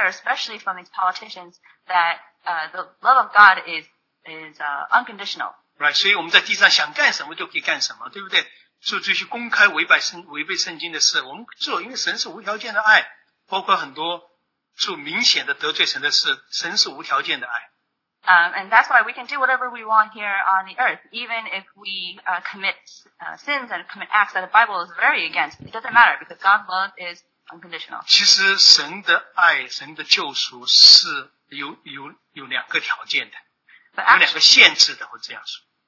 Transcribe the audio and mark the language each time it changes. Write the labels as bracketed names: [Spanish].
[English] often hear, especially from these politicians, that the love of God is unconditional. Right, [Chinese] 所以我们在地上想干什么就可以干什么，对不对？做这些公开违背圣经的事，我们做，因为神是无条件的爱，包括很多做明显的得罪神的事，神是无条件的爱。 [English] And that's why we can do whatever we want here on the earth, even if we commit sins and commit acts that the Bible is very against. It doesn't matter because God's love is unconditional. [Chinese] 其实神的爱，神的救赎是有两个条件的， [English] but actually, [Chinese] 有两个限制的，或这样说。